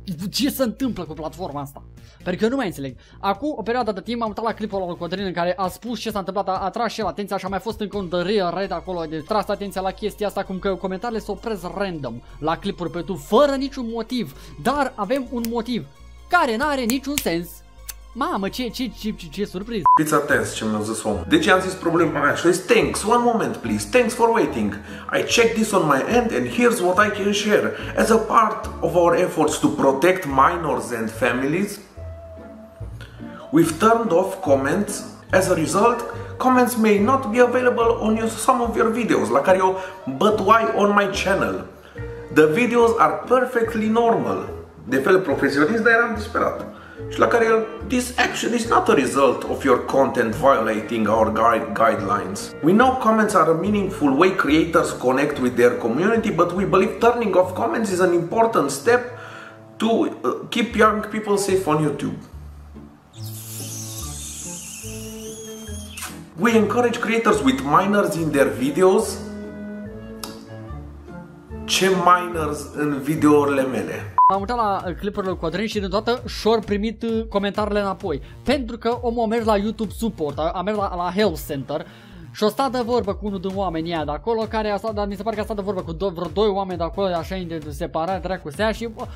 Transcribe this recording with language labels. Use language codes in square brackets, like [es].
[ro] Ce se întâmplă cu platforma asta? Pentru că eu nu mai înțeleg. Acum o perioadă de timp m-am uitat la clipul ăla lui Codrin, în care a spus ce s-a întâmplat, a tras și el atenția și a mai fost încă un The Real Red acolo, de tras atenția la chestia asta, cum că comentariile se opresc random la clipuri pe YouTube fără niciun motiv. Dar avem un motiv care n-are niciun sens. Mamă, ce surpriză. Fiți atenți ce mi-a zis om. De ce am zis problema mea? Și [en] thanks, one moment please, thanks for waiting. I checked this on my end and here's what I can share. As a part of our efforts to protect minors and families, we've turned off comments. As a result, comments may not be available on some of your videos, [ro] la care eu, [en] but why on my channel? The videos are perfectly normal. [ro] De fel profesionist, dar eram disperat. Și la care el, [en] this action is not a result of your content violating our guidelines. We know comments are a meaningful way creators connect with their community, but we believe turning off comments is an important step to keep young people safe on YouTube. We encourage creators with minors in their videos. [ro] Ce minors în videourile mele? M-am uitat la clipurile lui Codrin și deodată și-or primit comentariile înapoi. Pentru că omul a mers la YouTube Support, a mers la Help Center și a stat de vorbă cu unul din oamenii aia de acolo, care a stat, dar mi se pare că a stat de vorbă cu vreo doi oameni de acolo, așa separat, dracu să ia și...